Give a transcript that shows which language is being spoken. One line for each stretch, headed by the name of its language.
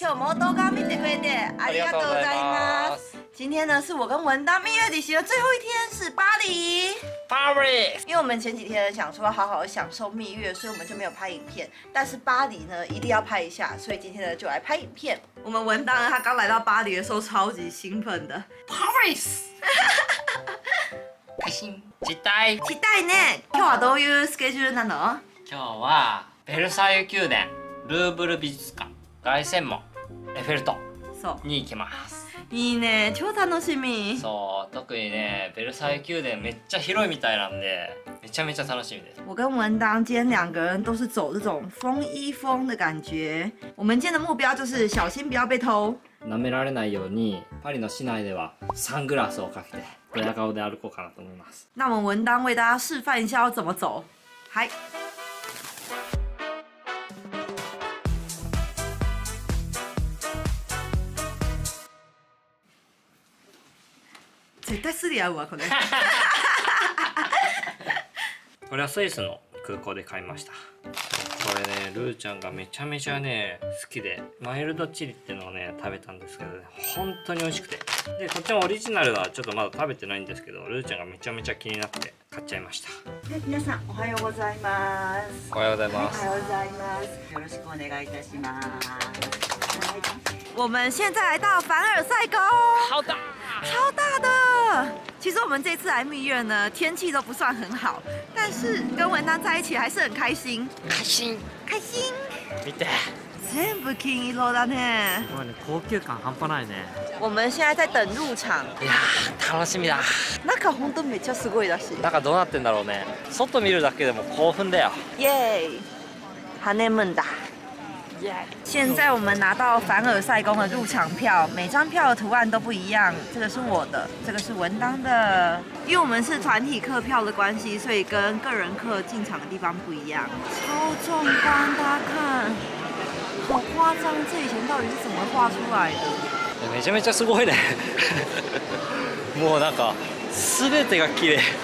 Japanese: 今日も動画見てくれてありがとうございます。
Chinese: 今天呢是我跟文丹蜜月旅行的最后一天，是巴黎。巴黎，因为我们前几天想说好好享受蜜月，所以我们就没有拍影片。但是巴黎呢，一定要拍一下，所以今天呢就来拍影片。我们文丹他刚来到巴黎的时候超级兴奋的，Paris， 开心，期待，期待呢。
Japanese: 今日はどういうスケジュールなの？今日はベルサイユ宮殿、ルーブル美術館、凱旋門、エッフェル塔に行きます。いいね、超楽しみ。そう、特にね、ベルサイユ宮殿めっちゃ広いみたいなんで、めちゃめちゃ楽しみです。
Chinese: 我跟文丹今天两个人都是走这种风衣风的感觉。我们今天的目标就是小心不要被偷。
Japanese: 舐められないようにパリの市内ではサングラスをかけてドヤ顔で歩こうかなと思います。
Chinese: 那我们文丹为大家示范一下要怎么走。
Japanese: はい。絶対スリ合うわこれこれはスイスの空港で買いました。これね、ルーちゃんがめちゃめちゃね好きで、マイルドチリっていうのをね食べたんですけど、ね、本当に美味しくて、でこっちのオリジナルはちょっとまだ食べてないんですけど、ルーちゃんがめちゃめちゃ気になって買っちゃいました。で皆さんおはようございます。おはようございます。おはようございます。よろしくお願いいたします。
Chinese: はい、我们现在来到凡尔赛宫。好的，超大的。其实我们这次来蜜月呢，天气都不算很好，但是跟文丹在一起还是很开心。开心，开心。
Japanese: 見て，全部金色だね。すごいね、高級感半端ないね。
Chinese: 我们现在在等入场。
Japanese: いや、楽しみだ。中本当めっちゃすごいらしい。中どうなってんだろうね。外見るだけでも興奮だよ。イエーイ、ハネムーンだ。
English: Yeah.
Chinese: 现在我们拿到凡尔赛宫的入场票，每张票的图案都不一样。这个是我的，这个是文当的。因为我们是团体客票的关系，所以跟个人客进场的地方不一样。超壮观，大家看，好夸张！这以前到底是怎么画出来的？
Japanese: めちゃめちゃすごいね。もうなんかすべてが綺麗。